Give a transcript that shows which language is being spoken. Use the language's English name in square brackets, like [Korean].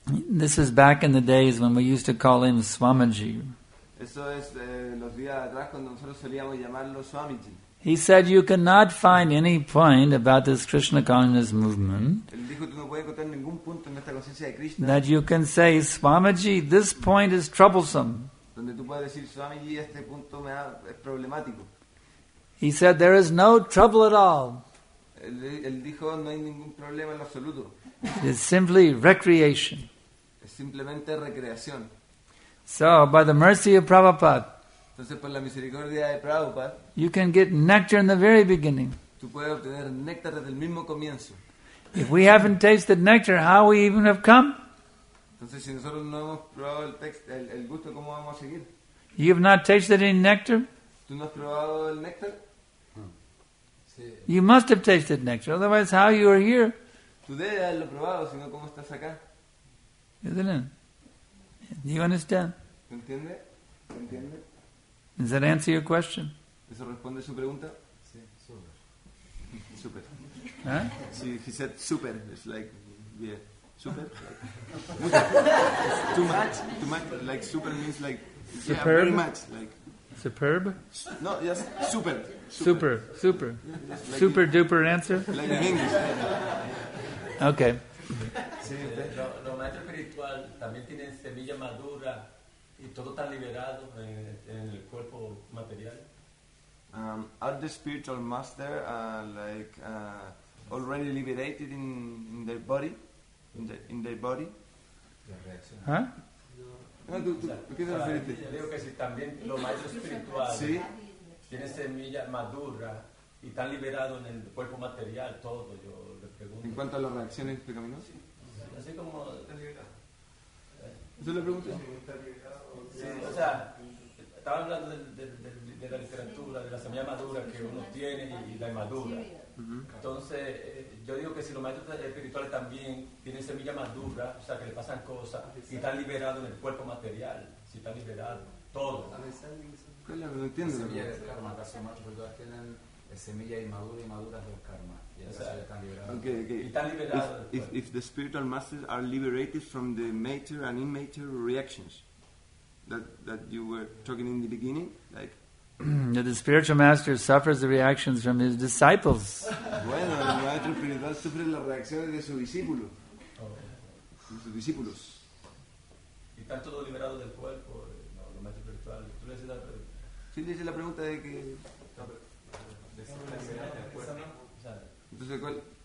[English] This is back in the days when we used to call him Swamiji. [Spanish] Eso es los días atrás cuando nosotros solíamos llamarlo Swamiji. [English] He said, you cannot find any point about this Krishna consciousness movement that you can say, Swamiji, this point is troublesome. He said, there is no trouble at all. [Spanish] él dijo no hay ningún problema en absoluto. [English] It's simply recreation. [Spanish] Es simplemente recreación. [English] So by the mercy of Prabhupada. [Spanish] Entonces por la misericordia de Prabhupada. [English] You can get nectar in the very beginning. [Spanish] Tú puedes obtener néctar desde el mismo comienzo. [English] If we haven't tasted nectar, how we even have come? [Spanish] Entonces si nosotros no hemos probado el gusto, ¿cómo vamos a seguir? [English] You have not tasted any nectar? [Spanish] ¿Tú no has probado el néctar? [English] You must have tasted nectar, otherwise how you are here? [Spanish] Tú debes haberlo probado, sino ¿cómo estás acá? [English] Isn't it? You understand? [Spanish] ¿Entiende? ¿Entiende? [English] Does that answer your question? [Spanish] ¿Eso responde su pregunta? Sí, super. Super. Huh? [English] Sí, he said super. It's like, yeah, super. Like, too much, like super means like, superb? Yeah, very much, like. Superb? No, yes, super. Super, super. Yeah, super like duper answer? Like in English. Okay. [Spanish] Lo maestro espiritual también tiene semilla madura y todo está liberado en el cuerpo material. [English] Are the spiritual master like already liberated in their body? In their body? Huh? [Spanish] ¿Qué te refieres? Yo digo que si también los maestros espirituales ¿sí? tienen semilla madura y están liberados en el cuerpo material, todo, yo le pregunto. ¿En cuanto a las reacciones pecaminosas? Sí. Así como. ¿Usted le pregunta? Sí, o sea, estaba hablando de la literatura, de la semilla madura que uno tiene y la inmadura. Entonces, yo digo que si los maestros espirituales también tienen semilla madura, o sea, que le pasan cosas, y están liberados en el cuerpo material, si están liberados, todo. ¿Qué le entiendes? Semillas del karma, casi más, porque todas tienen semillas inmaduras y maduras del karma. [English] If the spiritual masters are liberated from the mature and immature reactions that you were talking in the beginning, like the spiritual master suffers the reactions from his disciples. [Spanish] Bueno, el maestro espiritual sufre las reacciones de su discípulo. De sus discípulos. Y están todos liberados del cuerpo, no, los maestros espirituales. ¿Sí le dice la pregunta de que entonces, ¿cuál?